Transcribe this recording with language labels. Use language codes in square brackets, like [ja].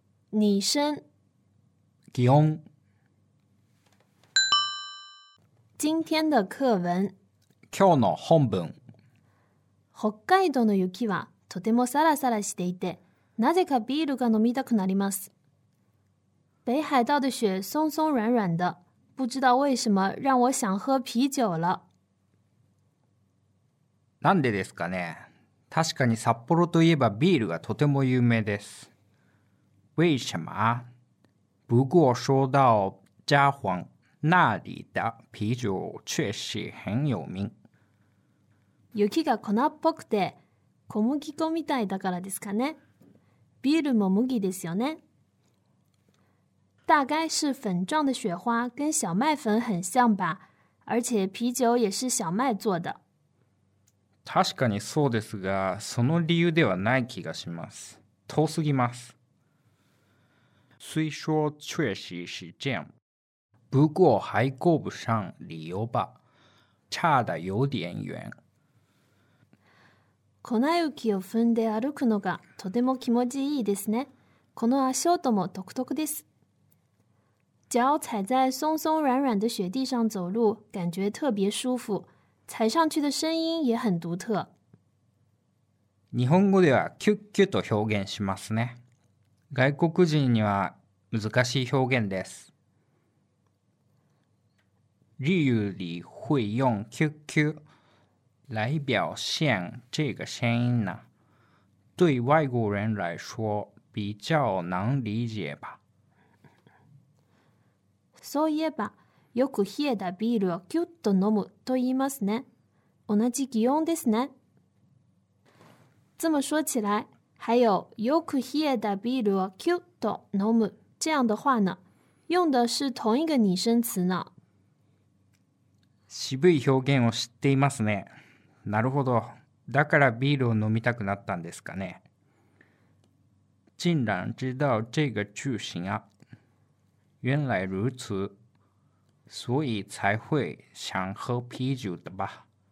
[zh] 拟声， [ja] 擬音。 [zh] 今天的课文， [ja] 今日の本文。北海道の雪はとてもサラサラしていて、なぜかビールが飲みたくなります。 [zh] 北海道的雪松松软软的，不知道为什么让我想喝啤酒了。 [ja] なんでですかね。確かに札幌といえばビールがとても有名です。 [zh] 为什么？不过说到札幌，那里的啤酒确实很有名。 [ja] 雪が粉っぽくて小麦粉みたいだからですかね。ビールも麦ですよね。 [zh] 大概是粉状的雪花跟小麦粉很像吧，而且啤酒也是小麦做的。 [ja] 確かにそうですが、その理由ではない気がします。遠すぎます。 [zh] 虽说确实是这样，不过还够不上理由吧，差的有点远。 [ja] 粉雪を踏んで歩くのがとても気持ちいいですね。この足音も独特です。 [zh] 脚踩在松松软软的雪地上走路，感觉特别舒服，踩上去的声音也很独特。 [ja] 日本語ではキュッキュと表現しますね。外国人には難しい表現です。 [zh] 日语里会用キュッキュ来表现这个声音呢，对外国人来说比较难理解吧。 [ja] そういえば、よく冷えたビールをキュッと飲むと言いますね。同じ擬音ですね。 [zh] 这么说起来，还有 [ja] よく冷えたビールをキュッと飲む [zh] 这样的话呢，用的是同一个拟声词呢。 [ja] 渋い表現を知っていますね。なるほど。だからビールを飲みたくなったんですかね。 [zh] 竟然知道这个句型啊。原来如此。所以才会想喝啤酒的吧。